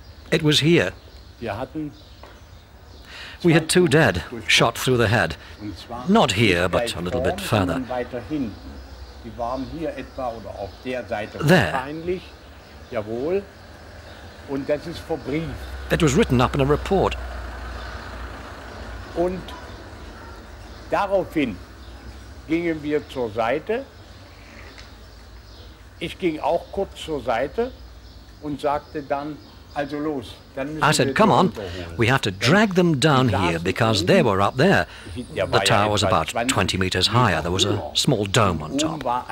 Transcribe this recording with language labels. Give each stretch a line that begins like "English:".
English: It was here. We had two dead, shot through the head. Not here, but a little bit further.
German: Die waren hier etwa oder auf der Seite wahrscheinlich, jawohl. Und das ist verbrieft.
English: It was written up in a report.
German: Und daraufhin gingen wir zur Seite. Ich ging auch kurz zur Seite und sagte dann, also los. Dann
English: I said, come on, we have to drag them down here, because they were up there. The tower was about 20 meters higher, there was a small dome on top.